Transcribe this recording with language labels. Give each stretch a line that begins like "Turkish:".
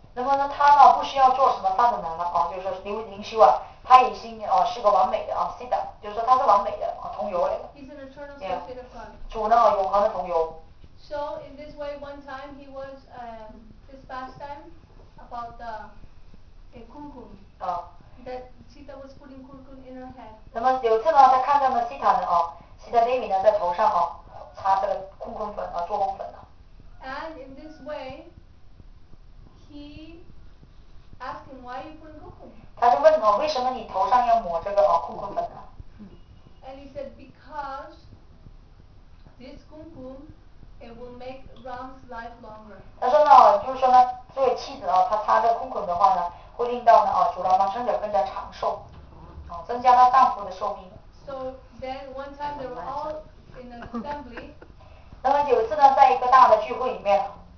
Chinese: 那么呢他呢不需要做什么大的能了啊，就是说灵修啊，他已经啊是个完美的啊 Siddha, 就是说他是完美的啊同游来的。
English: He's an eternal associate of God.
Chinese: 主呢永恒的同游。
English: So in this way one time he was, this past time, about the kumkum. That Sita was putting kumkum in her head.
Chinese: 那么有次呢他看到了 Siddha 呢啊 Siddha Devi 呢在头上啊擦这个kumkum粉啊做工粉啊。
English: And in this way,He asked him, why are you putting kumkum?
Chinese: 他就问哦，为什么你头上要抹这个哦kumkum粉呢？
English: And he said, because this kumkum, it will make Ram's life longer.
Chinese: 他说呢，就是说呢，作为妻子啊，他擦这kumkum的话呢，会令到呢啊，主人的生者更加长寿，哦，增加他丈夫的寿命。
English: So then one time they were all in an assembly.
Chinese: 那么有一次呢，在一个大的聚会里面